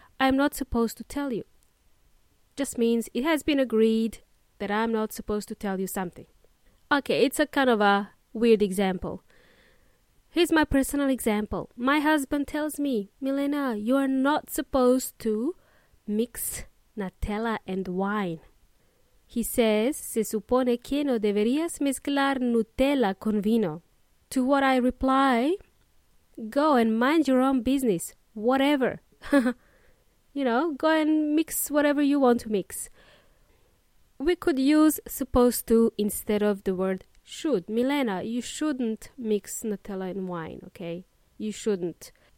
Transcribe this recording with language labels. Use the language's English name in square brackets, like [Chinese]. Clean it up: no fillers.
[English] I'm not supposed to tell you. Just means it has been agreed that I'm not supposed to tell you something. Okay, it's a kind of a weird example. Here's my personal example. My husband tells me, Milena, you are not supposed to mix Nutella and wine. [Spanish] He says, se supone que no deberías mezclar Nutella con vino. [English] To what I reply, go and mind your own business, whatever. You know, go and mix whatever you want to mix. We could use supposed to instead of the word should. Milena, you shouldn't mix Nutella and wine, okay? You shouldn't.